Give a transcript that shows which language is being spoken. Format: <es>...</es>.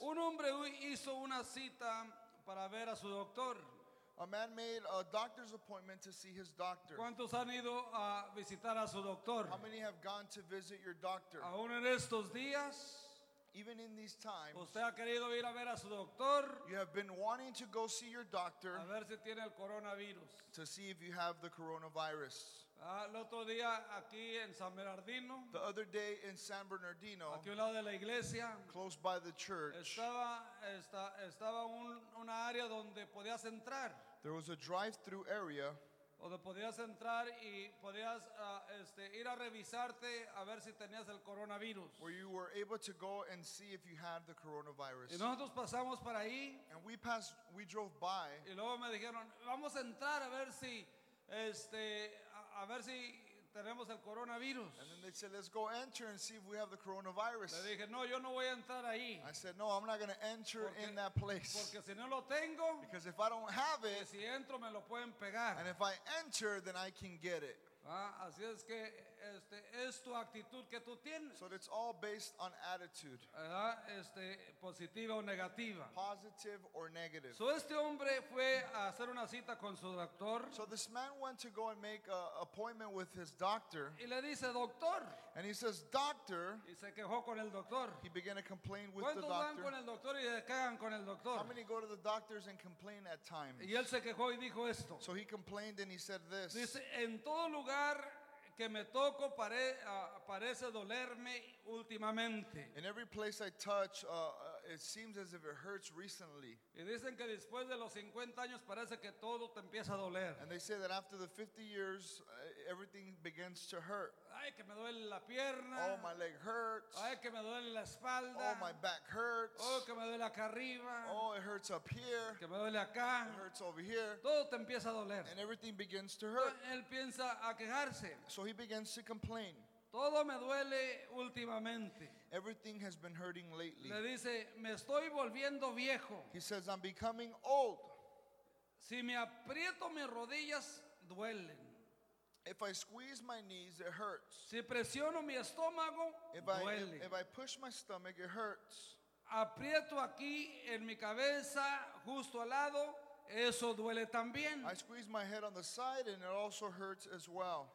<es>Un hombre hizo una cita para ver a su doctor.</es> <en>A man made a doctor's appointment to see his doctor.</en> <es>¿Cuántos han ido a visitar a su doctor?</es> <en>How many have gone to visit your doctor?</en> <es>Aún en estos días,</es> <en>even in these times,</en> <es>usted ha querido ir a ver a su doctor,</es> <en>you have been wanting to go see your doctor,</en> <es>a ver si tiene el coronavirus,</es> <en>to see if you have the coronavirus.</en> <es>El otro día aquí en San Bernardino,</es> <en>the other day in San Bernardino,</en> <es>aquí al lado de la iglesia,</es> <en>close by the church,</en> <es>estaba una área donde podías entrar.</es> <en>There was a drive-through area.</en> <es>Donde podías entrar y podías ir a revisarte a ver si tenías el coronavirus.</es> <en>Where you were able to go and see if you had the coronavirus.</en> <es>Y nosotros pasamos para ahí.</es> <en>And we drove by.</en> <es>Y luego me dijeron, vamos a entrar a ver si a ver si tenemos el coronavirus.</es> <en>And then they said, let's go enter and see if we have the coronavirus.</en> <es>Le dije, no, yo no voy a entrar ahí.</es> <en>I said, no, I'm not going to enter</en> <es>porque,</es> <en>in that place.</en> <es>Porque si no lo tengo,</es> <en>because if I don't have it,</en> <es>si entro, me lo pueden pegar.</es> <en>And if I enter, then I can get it.</en> <es>Así es que es tu actitud que tú tienes.</es> <en>So it's all based on attitude.</en> <es>Positiva o negativa.</es> <en>Positive or negative.</en> <es>So este hombre fue a hacer una cita con su doctor.</es> <en>So this man went to go and make an appointment with his doctor.</en> <es>Y le dice, doctor.</es> <en>And he says, doctor.</en> <es>Y se quejó con el doctor.</es> <en>He began to complain with the doctor.</en> <es>¿Cuántos van con el doctor y se quejan con el doctor?</es> <en>How many go to the doctors and complain at times?</en> <es>Y él se quejó y dijo esto.</es> <en>So he complained and he said this.</en> <es>Dice, en todo lugar que me toco parece dolerme últimamente.</es> <en>In every place I touch, it seems as if it hurts recently.</en> <es>Y dicen que después de los 50 años parece que todo te empieza a doler.</es> <en>And they say that after the 50 years, everything begins to hurt.</en> <es>Ay, que me duele la pierna.</es> <en>Oh, my leg hurts.</en> <es>Ay, que me duele la espalda.</es> <en>Oh, my back hurts.</en> <es>Oh, que me duele acá arriba.</es> <en>Oh, it hurts up here.</en> <es>Que me duele acá.</es> <en>It hurts over here.</en> <es>Todo te empieza a doler.</es> <en>And everything begins to hurt.</en> <es>Él piensa a quejarse.</es> <en>So he begins to complain.</en> <es>Todo me duele últimamente.</es> <en>Everything has been hurting lately.</en> <es>Le dice, me estoy volviendo viejo.</es> <en>He says, I'm becoming old.</en> <es>Si me aprieto mis rodillas, duelen.</es> <en>If I squeeze my knees, it hurts.</en> <es>Si presiono mi estómago, duele.</es> <en>If I push my stomach, it hurts.</en> <es>Aprieto aquí en mi cabeza, justo al lado, eso duele también.</es> <en>I squeeze my head on the side and it also hurts as well.</en>